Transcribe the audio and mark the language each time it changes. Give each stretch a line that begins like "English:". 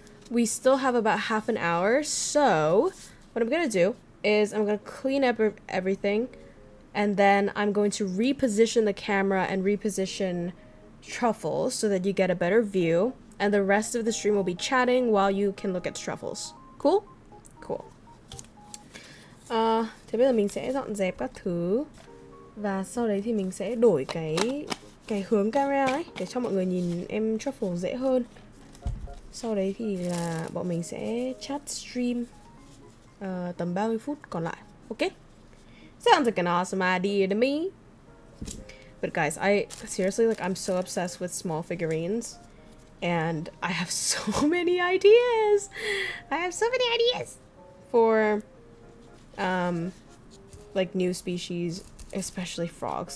English: We still have about half an hour, so what I'm gonna do is I'm gonna clean up everything, and then I'm going to reposition the camera and reposition Truffles so that you get a better view, and the rest of the stream will be chatting while you can look at Truffles. Cool? Cool.
Vietnamese: Thế bây giờ mình sẽ dọn dẹp các thứ, và sau đấy thì mình sẽ đổi cái hướng camera ấy, để cho mọi người nhìn em Truffle dễ hơn. Sau đấy thì là bọn mình sẽ chat stream tầm 30 phút còn lại.
English: Ok? Sounds like an awesome idea to me. But guys, I seriously, like, I'm so obsessed with small figurines. And I have so many ideas! I have so many ideas! For, like, new species, especially frogs.